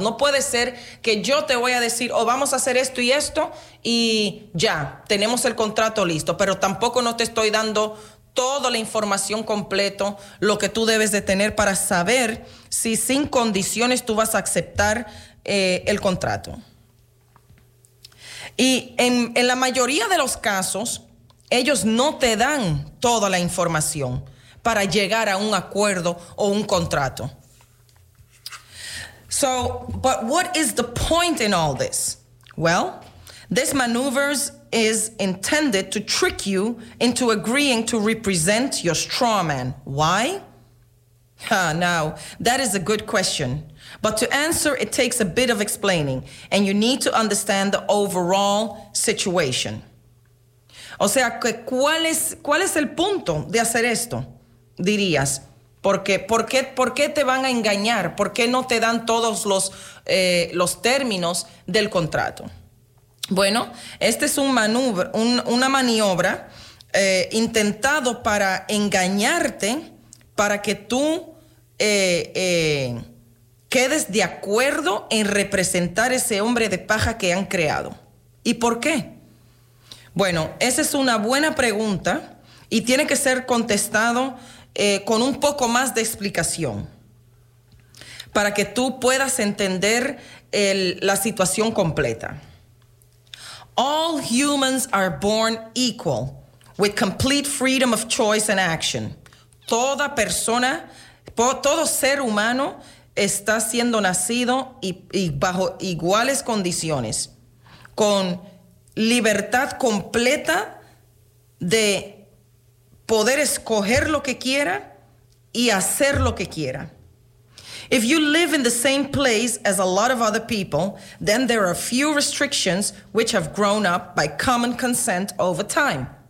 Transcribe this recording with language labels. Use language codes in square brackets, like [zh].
[es] No puede ser que yo te voy a decir, vamos a hacer esto y esto, y ya, tenemos el contrato listo, pero tampoco no te estoy dando toda la información completa, lo que tú debes de tener para saber si sin condiciones tú vas a aceptar el contrato. Y en la mayoría de los casos, ellos no te dan toda la información para llegar a un acuerdo o un contrato. [en] So, but what is the point in all this? Well, this maneuvers is intended to trick you into agreeing to represent your straw man. Why? Now, that is a good question. But to answer, it takes a bit of explaining, and you need to understand the overall situation. [es] O sea, ¿cuál es el punto de hacer esto? Dirías, ¿por qué te van a engañar? ¿Por qué no te dan todos los términos del contrato? Bueno, este es una maniobra intentado para engañarte, para que tú quedes de acuerdo en representar ese hombre de paja que han creado. ¿Y por qué? Bueno, esa es una buena pregunta y tiene que ser contestado con un poco más de explicación para que tú puedas entender la situación completa. [en] All humans are born equal, with complete freedom of choice and action. [es] Toda persona, todo ser humano está siendo nacido y bajo iguales condiciones, con libertad completa de poder escoger lo que quiera y hacer lo que quiera. [en] If you live in the same place as a lot of other people, then there are few restrictions which have grown up by common consent over time.